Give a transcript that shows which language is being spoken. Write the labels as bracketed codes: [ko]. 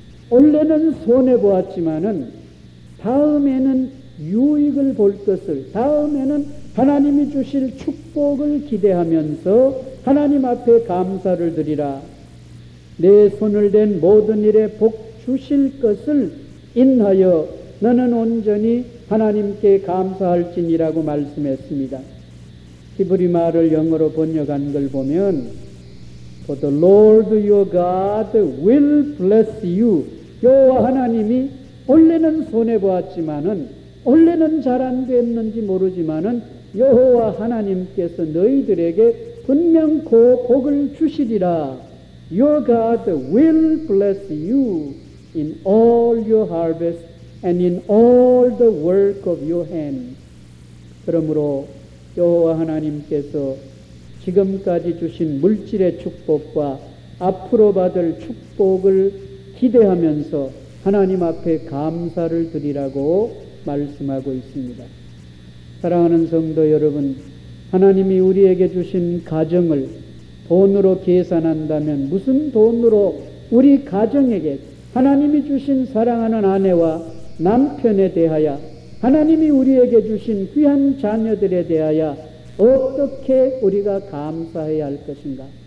[ko] 원래는 손해보았지만은 다음에는 유익을 볼 것을, 다음에는 하나님이 주실 축복을 기대하면서 하나님 앞에 감사를 드리라. 내 손을 댄 모든 일에 복 주실 것을 인하여 너는 온전히 하나님께 감사할지니라고 말씀했습니다. 히브리 말을 영어로 번역한 걸 보면 [en] For the Lord your God will bless you. [ko] 여호와 하나님이 원래는 손해보았지만은 원래는 잘 안 됐는지 모르지만은 여호와 하나님께서 너희들에게 분명 그 복을 주시리라. [en] Your God will bless you in all your harvest and in all the work of your hand. [ko] 그러므로 여호와 하나님께서 지금까지 주신 물질의 축복과 앞으로 받을 축복을 기대하면서 하나님 앞에 감사를 드리라고 말씀하고 있습니다. 사랑하는 성도 여러분, 하나님이 우리에게 주신 가정을 돈으로 계산한다면 무슨 돈으로 우리 가정에게 하나님이 주신 사랑하는 아내와 남편에 대하여 하나님이 우리에게 주신 귀한 자녀들에 대하여 어떻게 우리가 감사해야 할 것인가?